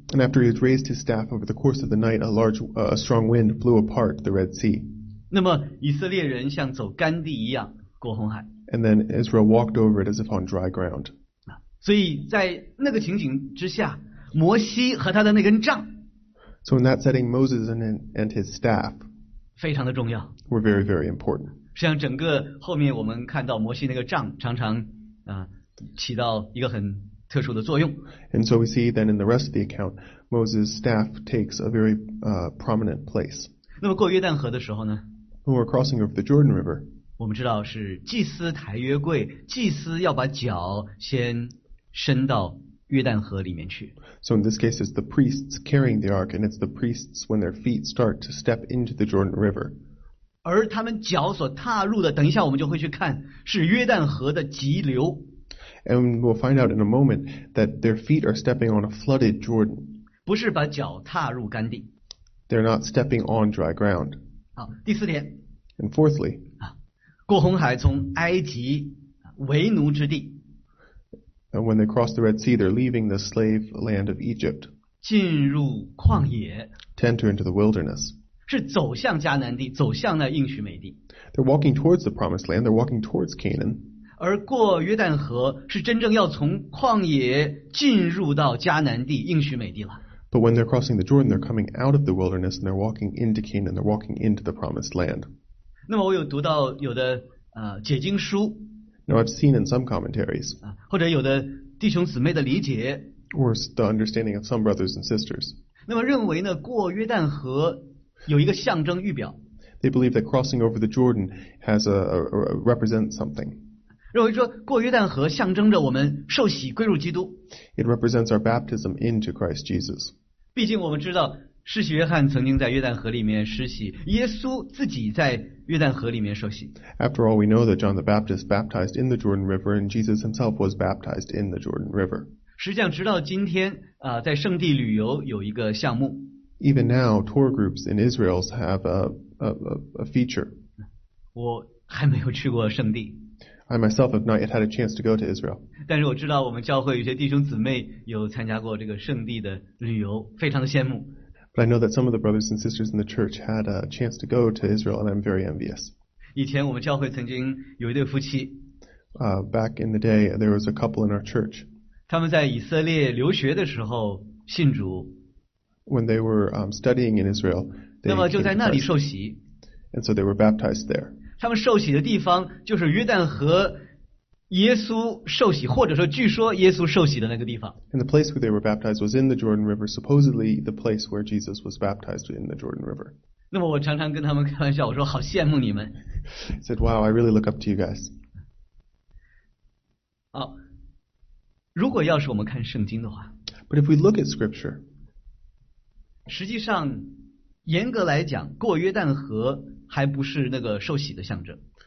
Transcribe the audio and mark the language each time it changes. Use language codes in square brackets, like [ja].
[en] And after he had raised his staff over the course of the night, a strong wind blew apart the Red Sea. [zh] 那么以色列人像走干地一样过红海。 [en] And then Israel walked over it as if on dry ground. [zh] 所以在那个情景之下，摩西和他的那根杖。 [en] So in that setting, Moses and his staff. [zh] 非常的重要。 [en] Were very, very important. [zh] 实际上整个后面我们看到摩西那个杖常常起到一个很特殊的作用。 [en] And so we see then in the rest of the account, Moses' staff takes a very prominent place. [zh] 那么过约旦河的时候呢？ [en] When we're crossing over the Jordan River, [zh] 我们知道是祭司抬约柜，祭司要把脚先伸到约旦河里面去。 [en] So in this case, it's the priests carrying the ark, and it's the priests when their feet start to step into the Jordan River. [zh] 而他们脚所踏入的，等一下我们就会去看，是约旦河的急流。 [en] And we'll find out in a moment that their feet are stepping on a flooded Jordan. [zh] 不是把脚踏入干地。 [en] They're not stepping on dry ground. [zh] 好，第四点。 [en] And fourthly, [zh] 过红海从埃及为奴之地。 [en] And when they cross the Red Sea, they're leaving the slave land of Egypt. [zh] 进入旷野。 [en] To enter into the wilderness. [zh] 是走向迦南地，走向那应许美地。 [en] They're walking towards the promised land. They're walking towards Canaan. [zh] 而过约旦河是真正要从旷野进入到迦南地，应许美地了。 [en] But when they're crossing the Jordan, they're coming out of the wilderness and they're walking into Canaan. They're walking into the promised land. [zh] 那么我有读到有的解经书。 [en] Now I've seen in some commentaries. [zh] 或者有的弟兄姊妹的理解。 [en] Or the understanding of some brothers and sisters. [zh] 那么认为呢，过约旦河。有一个象征预表。 [en] They believe that crossing over the Jordan has represents something. [zh] 认为说过约旦河象征着我们受洗归入基督。 [en] It represents our baptism into Christ Jesus. [zh] 毕竟我们知道施洗约翰曾经在约旦河里面施洗，耶稣自己在约旦河里面受洗。 [en] After all, we know that John the Baptist baptized in the Jordan River, and Jesus himself was baptized in the Jordan River. [zh] 实际上，直到今天啊，在圣地旅游有一个项目。 [en] Even now, tour groups in Israel have a feature. [zh] 我还没有去过圣地。 [en] I myself have not yet had a chance to go to Israel. [zh] 但是我知道我们教会有些弟兄姊妹有参加过这个圣地的旅游，非常的羡慕。 [en] But I know that some of the brothers and sisters in the church had a chance to go to Israel, and I'm very envious. [zh] 以前我们教会曾经有一对夫妻。 [en] Back in the day, there was a couple in our church. [zh] 他们在以色列留学的时候信主。 [en] when they were studying in Israel, they [zh] 那么就在那里受洗。 [en] And so they were baptized there. [zh] 他们受洗的地方就是约旦河耶稣受洗，或者说据说耶稣受洗的那个地方。 [en] And the place where they were baptized was in the Jordan River, supposedly the place where Jesus was baptized in the Jordan River. [zh] 那么我常常跟他们开玩笑，我说好羡慕你们。 [en] I said, wow, I really look up to you guys. [zh] 好，如果要是我们看圣经的话。 [en] But if we look at scripture. [zh] 实际上，严格来讲，过约旦河还不是那个受洗的象征。